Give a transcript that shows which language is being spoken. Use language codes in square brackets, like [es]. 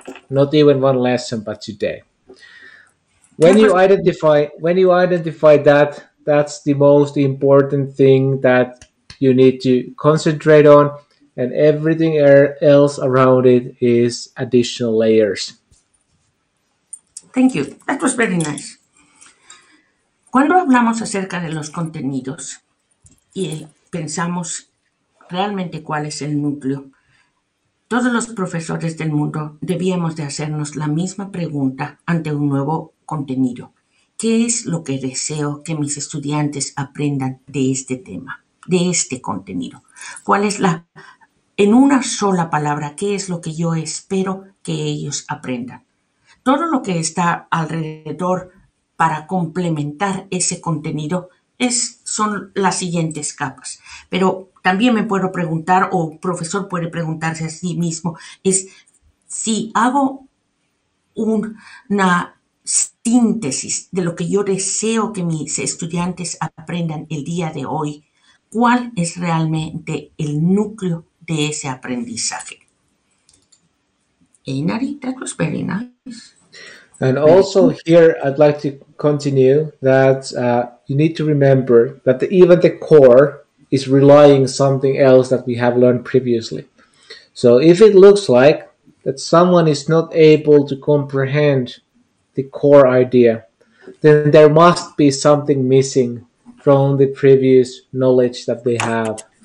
[en] Not even one lesson, but today. When you identify that, that's the most important thing that you need to concentrate on, and everything else around it is additional layers. Thank you. That was very nice. [es] Cuando hablamos acerca de los contenidos y pensamos realmente cuál es el núcleo. Todos los profesores del mundo debíamos de hacernos la misma pregunta ante un nuevo contenido. ¿Qué es lo que deseo que mis estudiantes aprendan de este tema, de este contenido? ¿Cuál es la, en una sola palabra, qué es lo que yo espero que ellos aprendan? Todo lo que está alrededor para complementar ese contenido son las siguientes capas. Pero también me puedo preguntar, o un profesor puede preguntarse a sí mismo, es si hago una síntesis de lo que yo deseo que mis estudiantes aprendan el día de hoy, ¿cuál es realmente el núcleo de ese aprendizaje? [en] Einari, that was very nice. And also here, I'd like to continue that you need to remember that even the core is relying on something else that we have learned previously. So if it looks like that someone is not able to comprehend the core idea, then there must be something missing from the previous knowledge that they have.